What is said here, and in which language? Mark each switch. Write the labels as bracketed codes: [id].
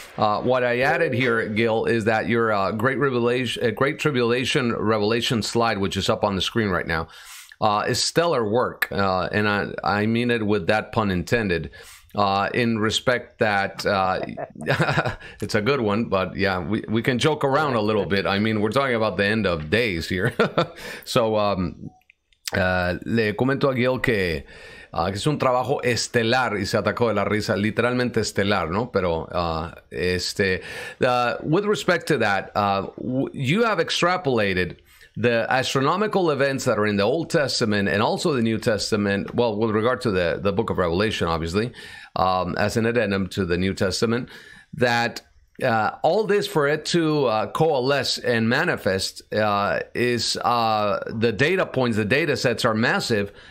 [en] What I added here, Gil, is that your Great Tribulation Revelation slide, which is up on the screen right now, is stellar work, and I mean it with that pun intended. In respect that, it's a good one, but yeah, we can joke around a little bit. I mean, we're talking about the end of days here. [es] So, le comento a Gil que es un trabajo estelar, y se atacó de la risa, literalmente estelar, ¿no? Pero, [en] with respect to that, you have extrapolated the astronomical events that are in the Old Testament and also the New Testament, well, with regard to the book of Revelation, obviously, as an addendum to the New Testament, that all this for it to coalesce and manifest is the data points, the data sets are massive.